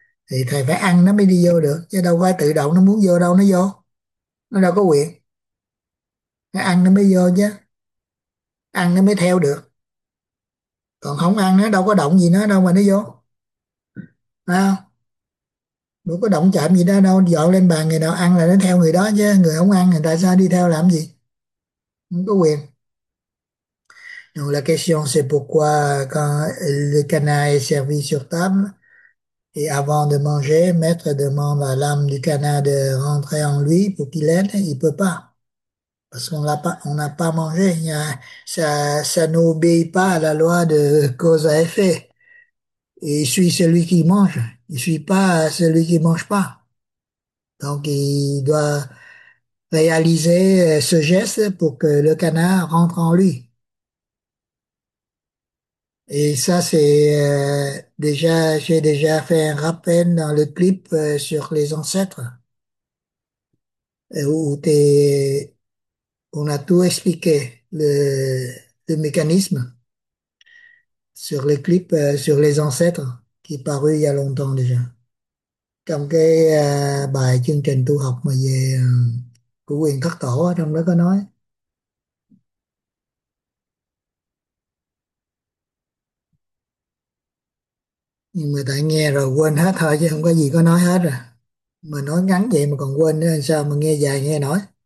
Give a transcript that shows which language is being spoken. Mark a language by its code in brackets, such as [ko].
[vi] Thì thầy phải ăn nó mới đi vô được chứ đâu phải tự động nó muốn vô đâu, nó vô nó đâu có quyền, nó ăn nó mới vô chứ, ăn nó mới theo được, còn không ăn nó đâu có động gì nó đâu mà nó vô, không đâu có động chạm gì đó đâu, dọn lên bàn người nào ăn là nó theo người đó chứ, người không ăn người ta sao đi theo làm gì, không có quyền. [fr] Donc la question c'est pourquoi quand le canard est servi sur table et avant de manger, maître demande à l'âme du canard de rentrer en lui pour qu'il aide, il peut pas. Parce qu'on l'a pas, on n'a pas mangé. Ça n'obéit pas à la loi de cause à effet. Il suit celui qui mange. Il suit pas celui qui mange pas. Donc, il doit réaliser ce geste pour que le canard rentre en lui. Et ça, c'est déjà, j'ai déjà fait un rappel dans le clip sur les ancêtres, on a tout expliqué, le mécanisme sur le clip sur les ancêtres qui est paru il y a longtemps déjà. [vi] Comme cái bài chương trình tu học mà về của Quyền Thất Tổ, trong đó có nói. Nhưng mà tại nghe rồi quên hết thôi chứ không có gì có nói hết rồi. Mà nói ngắn vậy mà còn quên nữa sao mà nghe dài nghe nổi.